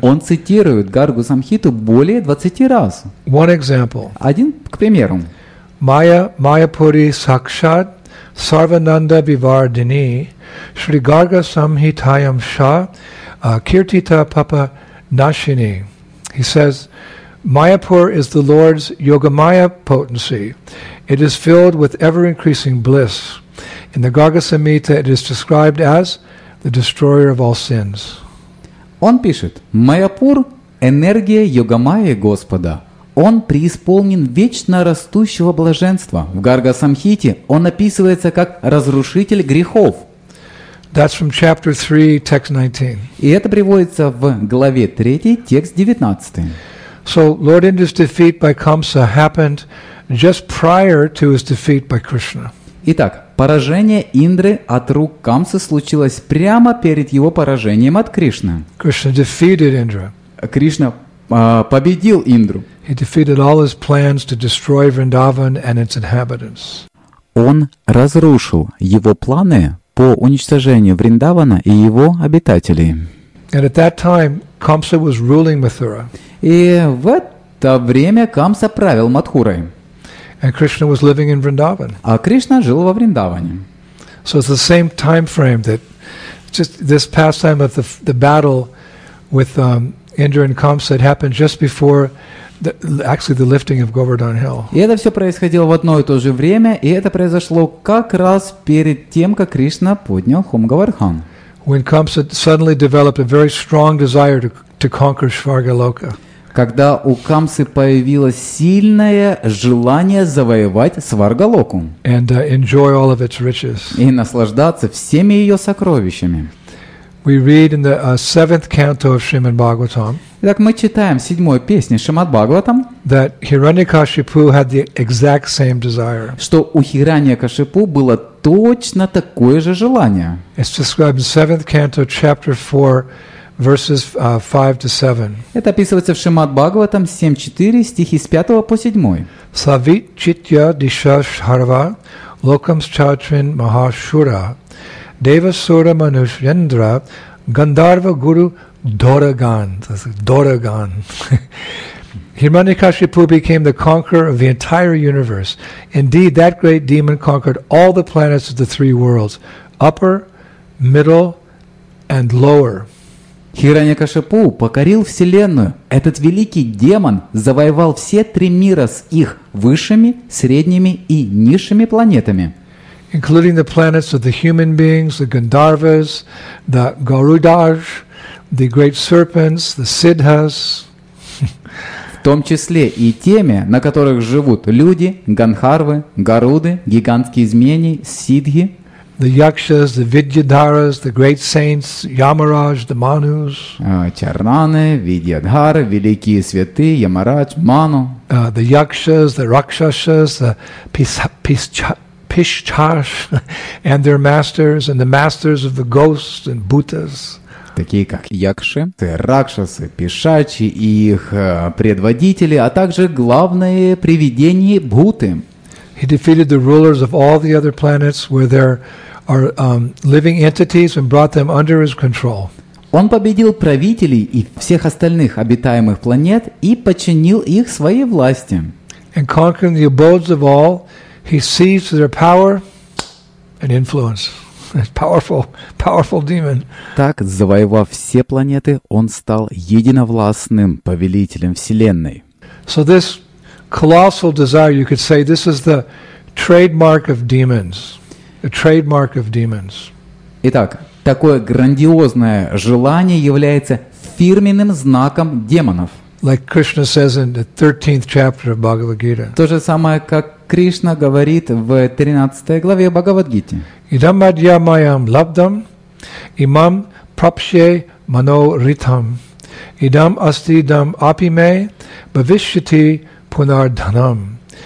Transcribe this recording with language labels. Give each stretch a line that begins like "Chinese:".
Russian: Он цитирует Гаргу Самхиту более 20 раз.
English: One example.
Russian: Один, к примеру.
Sanskrit: Майя Майяпури Сакшат Сарвананда Вивардини Шри Гарга Самхитаям Ша Киртита Папа Nashini.
English: He says, Mayapur is the Lord's Yogamaya potency. It is filled with ever-increasing bliss. In the Gargasamhita, it is described as the destroyer of all sins.
Russian: Он пишет, Mayapur – энергия Йогамайи Господа. Он преисполнен вечно растущего блаженства. В Гаргасамхите он описывается как разрушитель грехов.
English: That's from chapter 3, text 19.
Russian: И это приводится в главе 3, текст 19.
English: So Lord Indra's defeat by Kamsa happened just prior to his defeat by Krishna.
Russian: Итак, поражение Индры от рук Камсы случилось прямо перед его поражением от Кришны.
English: Krishna defeated Indra.
Russian: Кришна победил Индру.
English: He defeated all his plans to destroy Vrindavan and its inhabitants.
Russian: Он разрушил его планы по уничтожению Вриндавана и его обитателей.
English: And at that time, Kamsa was ruling Mathura.
Russian: И в это время Камса правил Матхурой.
English: And Krishna was living in Vrindavan.
Russian: А Кришна жил во Вриндаване.
English: So it's the same time frame that just this past time of the battle with Indra and Kamsa had happened just before actually the lifting of Govardhan Hill.
Russian: И это все происходило в одно и то же время, и это произошло как раз перед тем, как Кришна поднял холм Говардхан.
English: When Kamsa suddenly developed a very strong desire to conquer Svargaloka.
Russian: Когда у Камсы появилось сильное желание завоевать Сваргалоку
English: and, enjoy all of its riches.
Russian: И наслаждаться всеми ее сокровищами.
English: We read in the, seventh canto of Shrimad Bhagavatam,
Russian: Итак, мы читаем седьмой песни Шримад Бхагаватам,
English: that Hiranyakashipu had the exact same desire.
Russian: Что у Хираньякашипу было точно такое же желание.
English: It's described in seventh canto, chapter 4, verses 5-7.
Russian: Это описывается в Шримад Бхагаватам 7.4, стихи с 5 по 7.
Sanskrit: Савит читья диша шарва локам счатрин махашура девасура манушьендра гандарва гуру дораган.
English: That's дораган. Hiranyakashipu became the conqueror of the entire universe. Indeed, that great demon conquered all the planets of the three worlds, upper, middle, and lower.
Russian: Хираньякашипу покорил Вселенную. Этот великий демон завоевал все три мира с их высшими, средними и низшими планетами.
English: Including the planets of the human beings, the Gandharvas, the Garudas, the great serpents, the Siddhas.
Russian: В том числе и теми, на которых живут люди, Гандхарвы, Гаруды, гигантские змеи, Сиддхи.
English: The Yakshas, the Vidyadharas, the great saints, Yamaraj, the Manus.
Russian: Чарнаны, Vidyadhara, великие святые, Yamaraj, Manu.
English: The Yakshas, the Rakshasas, the Pishchash, and their masters, and the masters of the ghosts and Buddhas.
Russian: Такие как Якши, Ракшасы, Пишачи и их предводители, а также главные привидения Бхуты.
English: He defeated the rulers of all the other planets where there are living entities and brought them under his control.
Russian: Он победил правителей и всех остальных обитаемых планет и подчинил их своей власти.
English: And conquering the abodes of all, he seized their power and influence. Powerful, powerful demon.
Russian: Так, завоевав все планеты, он стал единовластным повелителем Вселенной.
English: So this colossal desire, you could say, this is the trademark of demons. The trademark of demons.
Russian: Итак, такое грандиозное желание является фирменным знаком демонов.
English: Like Krishna says in the 13th chapter of Bhagavad Gita.
Russian: То же самое, как Кришна говорит в 13 главе Бхагавадгиты.
Sanskrit: Идам адья майам лабдам, имам прапше мано ритам, идам асти дам апиме, бхавишьяти пунарданам.